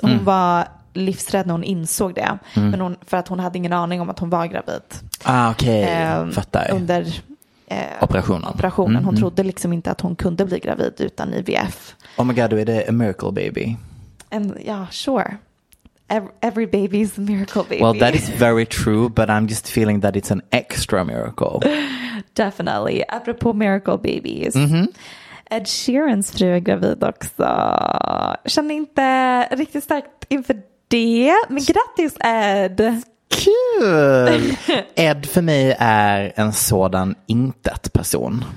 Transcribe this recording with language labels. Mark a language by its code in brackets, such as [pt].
[sv] Hon var livsrädd när hon insåg det, men hon, för att hon hade ingen aning om att hon var gravid. Ah, okej. Fattar. Under operationen. Hon trodde liksom inte att hon kunde bli gravid utan IVF. [en] Oh my god, [sv] då är det [en] a miracle baby. And, yeah, sure. Every baby is a miracle baby. Well, that is very true, but I'm just feeling that it's an extra miracle. Definitely. [sv] Apropå [en] miracle babies. Mm-hmm. [sv] Ed Sheerans fru är gravid också. Känner inte riktigt starkt inför det, men grattis Ed. Kul. Ed för mig är en sådan intet person.